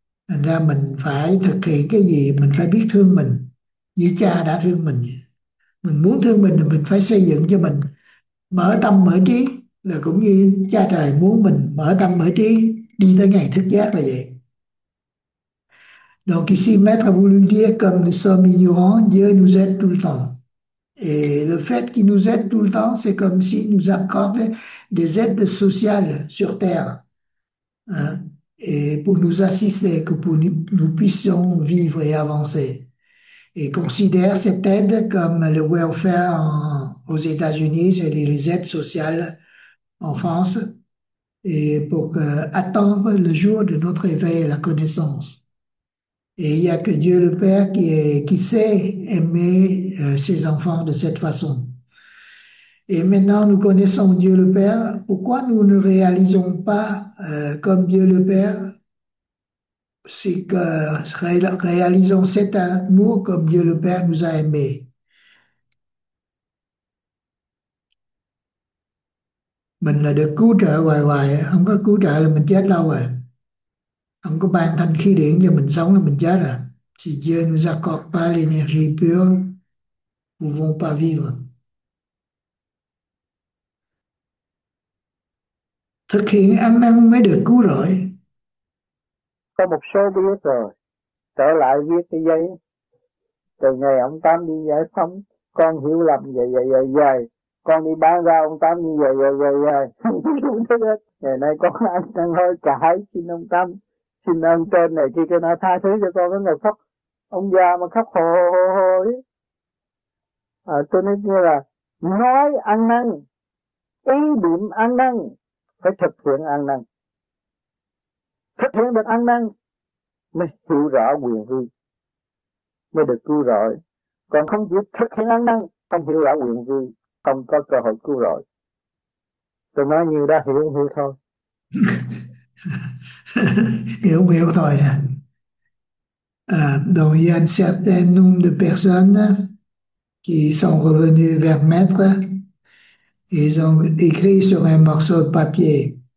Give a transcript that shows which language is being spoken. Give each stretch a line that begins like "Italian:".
Vietnamese: Thành ra mình phải thực hiện cái gì, mình phải biết thương mình như cha đã thương mình muốn thương mình thì mình phải xây dựng cho mình mở tâm mở trí, là cũng như cha trời muốn mình mở tâm mở trí đi tới ngày thức giác là vậy.
French: Donc ici, Maître a voulu dire, comme nous sommes ignorants, Dieu nous aide tout le temps. Et le fait qu'il nous aide tout le temps, c'est comme s'il nous accordait des aides sociales sur Terre, hein, et pour nous assister, que pour nous puissions vivre et avancer. Et considère cette aide comme le welfare aux États-Unis, les aides sociales en France, et pour attendre le jour de notre éveil à la connaissance. Et il n'y a que Dieu le Père qui sait aimer ses enfants de cette façon. Et maintenant, nous connaissons Dieu le Père. Pourquoi nous ne réalisons pas comme Dieu le Père? C'est que réalisons cet amour comme Dieu le Père nous a aimés.
Vietnamese: Mình là được cứu trợ hoài hoài, không có cứu trợ là mình chết lâu rồi. Không có ban thanh khí điển cho mình sống là mình chết rồi.
French: Si Dieu nous accorde pas l'énergie pure, nous ne pouvons pas vivre.
Vietnamese: Thực hiện ăn năn mới được cứu rỗi. Có một số biết rồi, trở lại viết cái giấy. Từ ngày ông Tám đi giải phóng, con hiểu lầm vậy vậy vậy vậy. Con đi bán ra ông Tám như vậy vậy vậy vậy. Ngày nay con ăn năn hối cải, xin ông Tám, xin ông trên này kia cho nó tha thứ cho con. Cái người khóc, ông già mà khóc hồ hồ hồ ấy. Tôi nói như là nói ăn năn, ý điểm ăn năn, phải thực hiện ăn năn. Thực hiện được ăn năn mới hiểu rõ quyền vị, mới được cứu rỗi. Còn không chịu thực hiện ăn năn, không hiểu rõ quyền vị, không có cơ hội cứu rỗi. Tôi nói nhiều đã hiểu không hiểu thôi. Hiểu hiểu thôi à.
French: Donc il y a un certain nombre de personnes
Vietnamese: Chị xong rồi bên đi vẹt mét quá. Chị xong rồi đi khí xong em mặc sốt bạp gì.